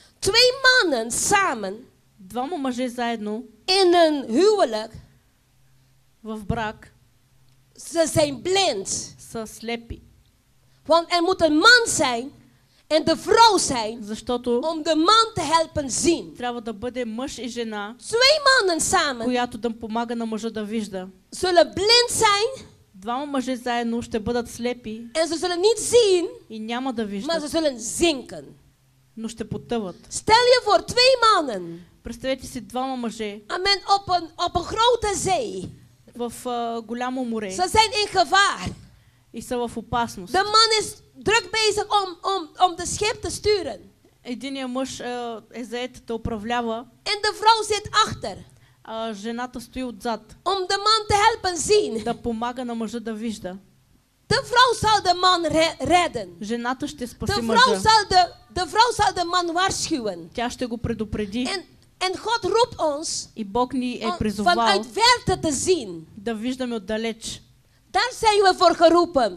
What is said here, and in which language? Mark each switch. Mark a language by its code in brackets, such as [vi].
[nl] Twee mannen samen, [bg] двама мъже заедно, [nl] in een huwelijk, [bg] в брак, [nl] ze zijn blind, [bg] са слепи. [nl] Want er moet een man zijn en de vrouw zijn, [bg] защото [nl] om de man te helpen zien. [bg] Трябва да бъде мъж и жена. [nl] Twee mannen samen. [bg] Която да помага на мъжа да вижда. [nl] Zullen blind zijn. [bg] Двама мъже заедно ще бъдат слепи. [nl] En ze zullen niet zien. [bg] И няма да виждат. [nl] Maar ze zullen zinken. [bg] Но ще потъват. [nl] Stel je voor twee mannen. [bg] Представете си двама мъже. [nl] Amen, op een grote zee. [bg] В голямо море. [nl] Ze zijn in gevaar. [bg] И са в опасност. [nl] De man is druk bezig om de schip te sturen. [bg] Единият мъж е заед да управлява. [nl] En de vrouw zit achter. [bg] Жената стои отзад. [nl] Om de man te helpen zien. [bg] Да помага на мъжа да вижда. [nl] De vrouw zal de man redden. [bg] Жената ще спаси мъжа. [nl] De vrouw zal de man waarschuwen. [bg] Тя ще го предупреди. [nl] En God roept ons. [bg] И Бог ни е призовал. [nl] Vanuit verte te zien. [bg] Да виждаме отдалеч. [en] That's why we were harupan.